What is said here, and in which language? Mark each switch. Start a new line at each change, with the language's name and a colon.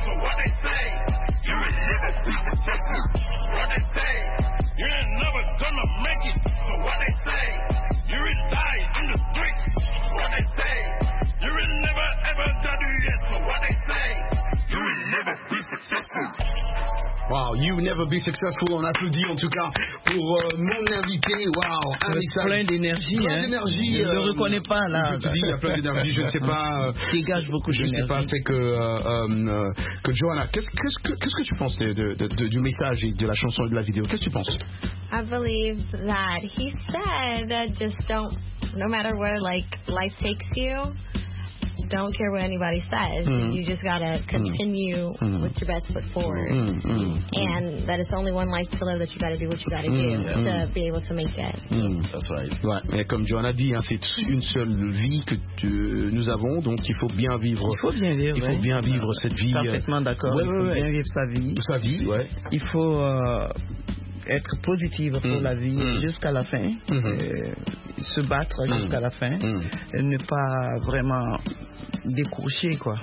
English: So what they say, you will never be successful. What they say, you ain't never gonna make it. So what they say, you will die in the streets. What they say, you will never ever study it. So what they say, you will never be successful. Wow, you never be successful.
French: On applaudit en tout cas pour mon invité. Wow, plein d'énergie. Plein d'énergie. Je ne le reconnais pas là. Je te dis, il y a plein d'énergie. Je ne sais pas. Dégage beaucoup d'énergie. Je ne sais pas, c'est que Johanna, qu'est-ce que tu penses de du message et de la chanson et de la vidéo? Qu'est-ce que tu penses?
English: I believe that he said that just don't, no matter where like life takes you, don't care what anybody says. You just gotta continue with your best foot forward. And that it's only one life to live, that you gotta do what you gotta do to be able to make it. That's right.
French: Ouais. Mais comme Johanna dit, hein, c'est une seule vie que nous avons, donc il faut bien vivre. Il faut bien vivre. Il faut bien vivre cette vie. Parfaitement d'accord. Ouais, il faut bien vivre sa vie. Sa vie, ouais. Il faut être positive pour la vie jusqu'à la fin. Se battre jusqu'à la fin. Ne pas vraiment décrocher, quoi.